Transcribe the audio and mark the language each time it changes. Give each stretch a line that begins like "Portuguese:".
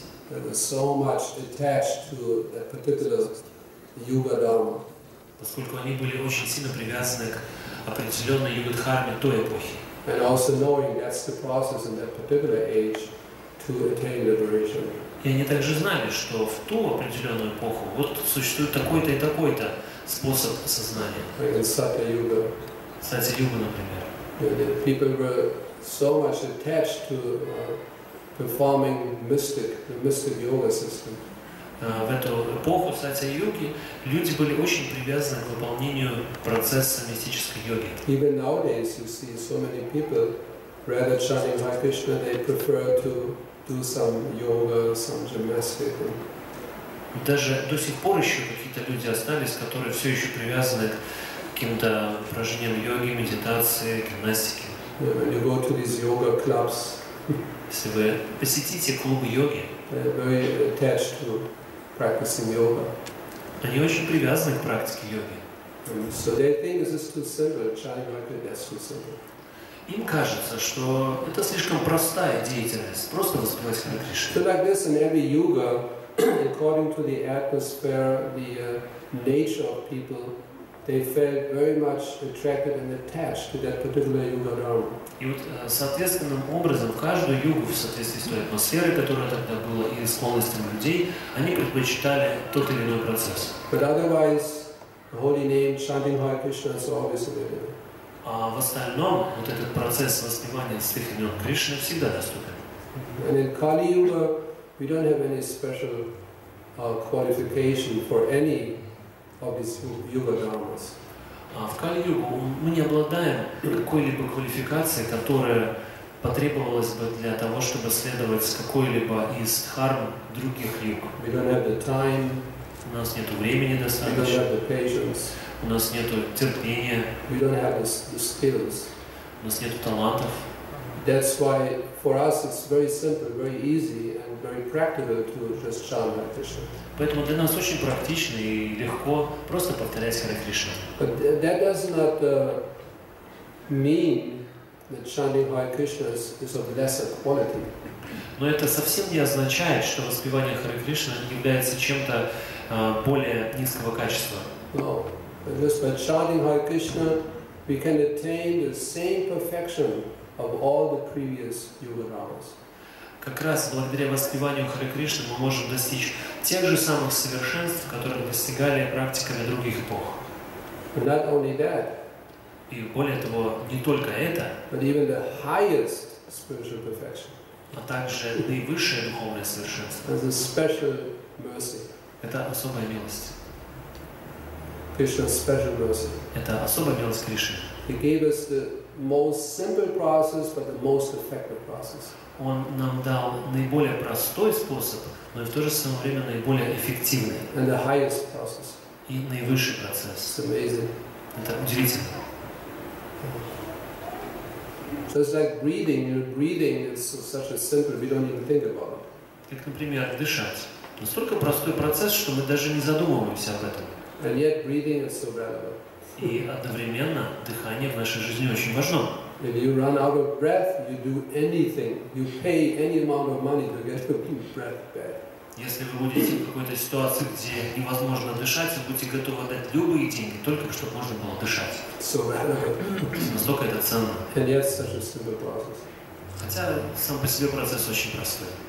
English: There was so much attached to a particular Yuga Dharma.
Russian: Поскольку они были очень сильно привязаны к определенной юга-дхарме той эпохи.
English: And also knowing that's the process in that particular age to attain liberation.
Russian: И они также знали, что в ту определенную эпоху вот существует такой-то и такой-то способ сознания.
English: Like in Satya-yuga.
Russian: Satya-yuga, например.
English: The people were so much attached to performing the mystic yoga system.
Russian: В эту эпоху Сатья-йоги люди были очень привязаны к выполнению процесса мистической йоги.
English: Even nowadays you see so many people rather chanting Hare Krishna, they prefer to do some yoga, some gymnastics.
Russian: Даже до сих пор еще какие-то люди остались, которые все еще привязаны к каким-то упражнениям йоги, медитации, гимнастики.
English: When you go to these yoga clubs,
Russian: если вы посетите клубы йоги,
English: they're very attached to practicing yoga.
Russian: Они очень привязаны к практике йоги.
English: So they think this is too simple, chanting Hare Krishna, that's too simple.
Russian: Им кажется, что это слишком простая деятельность, просто воспевать Хари Кришну.
English: So like this in every yoga, according to the atmosphere, the nature of people, they felt very much attracted and attached to that particular yoga dharma.
Russian: И вот соответственным образом в каждую югу, в соответствии с той атмосферой, которая тогда была, и склонностями людей, они предпочитали тот или иной процесс.
English: But otherwise, holy name, chanting Hare Krishna, is always available.
Russian: А в остальном вот этот процесс воспевания святых имен Кришны всегда доступен.
English: And in Kali Yuga, we don't have any special qualification for any of these yoga dharmas.
Russian: А в Кали Югу мы не обладаем какой-либо квалификацией, которая потребовалась бы для того, чтобы следовать какой-либо из дхарм других юг.
English: We don't have the time.
Russian: У нас нет времени достаточно.
English: We don't have the patience.
Russian: У нас нет терпения.
English: We don't have the skills.
Russian: У нас нет талантов.
English: That's why for us it's very simple, very easy and very practical to just chant Hare Krishna.
Russian: Поэтому для нас очень практично и легко просто повторять Харе Кришна.
English: But that does not mean that chanting Hare Krishna is of lesser quality.
Russian: Но это совсем не означает, что воспевание Харе Кришна является чем-то более низкого качества.
English: No. Just by chanting Hare Krishna, we can attain the same perfection of all the previous yoga dharmas.
Russian: Как раз благодаря воспеванию Харе Кришны мы можем достичь тех же самых совершенств, которые достигали практиками других эпох.
English: And not only that.
Russian: И более того, не только это.
English: But even the highest spiritual perfection.
Russian: А также наивысшее духовное совершенство.
English: As a special mercy.
Russian: Это особая милость.
English: Krishna's special mercy.
Russian: Это особая милость Кришны.
English: He gave us the most simple process, but the most effective process.
Russian: Он нам дал наиболее простой способ, но и в то же самое время наиболее эффективный.
English: And the highest process.
Russian: И наивысший процесс.
English: It's amazing.
Russian: Это удивительно.
English: So it's like breathing. You know, breathing is such a simple. We don't even think about it.
Russian: Как, например, дышать. Настолько простой процесс, что мы даже не задумываемся об этом.
English: And yet breathing is so relevant.
Russian: И одновременно дыхание в нашей жизни очень важно.
English: If you run out of breath, you do anything. You pay any amount of money to get your breath back.
Russian: Если вы будете в какой-то ситуации, где невозможно дышать, вы будете готовы дать любые деньги, только чтобы можно было дышать.
English: So relevant.
Russian: Настолько это ценно.
English: And yet such a simple process.
Russian: Хотя сам по себе процесс очень простой.